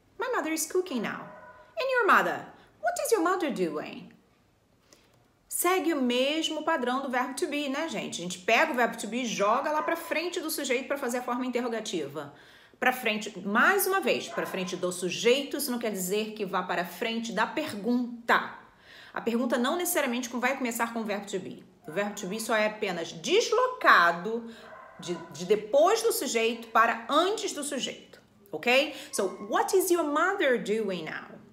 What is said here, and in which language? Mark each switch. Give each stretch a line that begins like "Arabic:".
English: My mother is cooking now. And your mother? What is your mother doing?
Portuguese: Segue o mesmo padrão do verbo to be, né, gente? A gente pega o verbo to be e joga lá para frente do sujeito para fazer a forma interrogativa. Para frente, mais uma vez, para frente do sujeito, isso não quer dizer que vá para frente da pergunta. A pergunta não necessariamente vai começar com o verbo to be. O verbo to be só é apenas deslocado de depois do sujeito para antes do sujeito, ok?
English: So, what is your mother doing now?